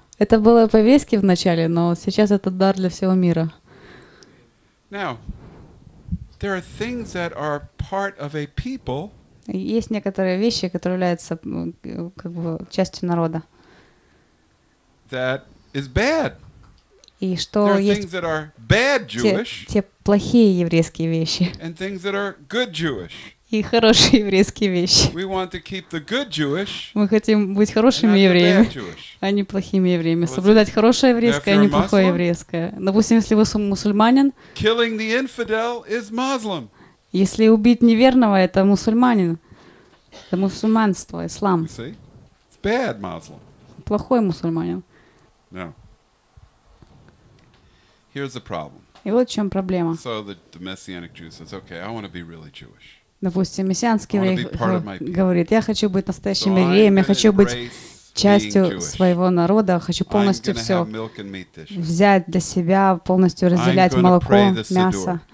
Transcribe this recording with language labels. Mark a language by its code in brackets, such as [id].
[ru] Это было по-еврейски вначале, но сейчас это дар для всего мира. [en] Now, there are things that are part of a people. [ru] Есть некоторые вещи, которые являются как бы частью народа. [en] That is bad. [ru] И что есть [en] things that are bad Jewish, [ru] те плохие еврейские вещи. [en] And things that are good Jewish. [ru] И хорошие еврейские вещи. [en] We want to keep the good Jewish, [ru] мы хотим быть хорошими евреями, а не плохими евреями. Well, соблюдать хорошее еврейское, а не плохое еврейское. Допустим, если вы мусульманин, [en] killing the infidel is Muslim. [ru] Если убить неверного, это мусульманин. Это мусульманство, ислам. [en] You see? It's bad Muslim. [ru] Плохой мусульманин. [en] No. Here's the problem. [ru] И вот в чем проблема. [en] So the messianic Jew says, okay, I want to be really Jewish. [ru] Допустим, мессианский еврей говорит, я хочу быть настоящим евреем, я хочу быть частью своего народа, хочу полностью все взять для себя, полностью разделять молоко, мясо.